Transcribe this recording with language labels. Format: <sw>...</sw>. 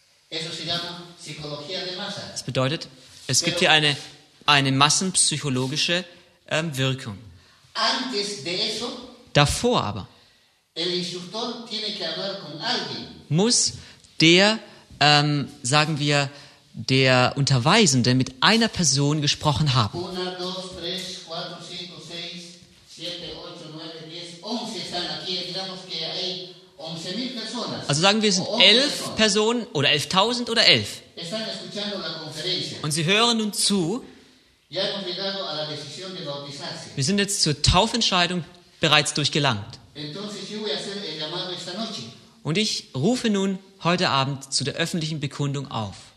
<es>Eso se llama psicología de masa.</es> <de>Das bedeutet, es gibt hier eine massenpsychologische Wirkung.</de> <es>Antes de eso,</es> <de>davor aber</de> <es>el instructor tiene que hablar con alguien.</es> <de>Muss der sagen wir, der Unterweisende mit einer Person gesprochen haben.</de> <es>Una, dos, tres, cuatro, cinco, seis, siete, ocho, nueve, diez, once están aquí. Digamos que hay 11.000 personas.</es> <de>Also sagen wir, es sind 11 Personen oder 11.000 oder 11.</de> <es>Están escuchando la conferencia.</es> <de>Und sie hören nun zu.</de> <es>Ya hemos llegado a la decisión de bautizarse.</es> <de>Wir sind jetzt zur Taufentscheidung bereits durchgelangt.</de> <es>Entonces, yo voy a hacer el llamado esta noche.</es> <de>Und ich rufe nun heute Abend zu der öffentlichen Bekundung auf.</de>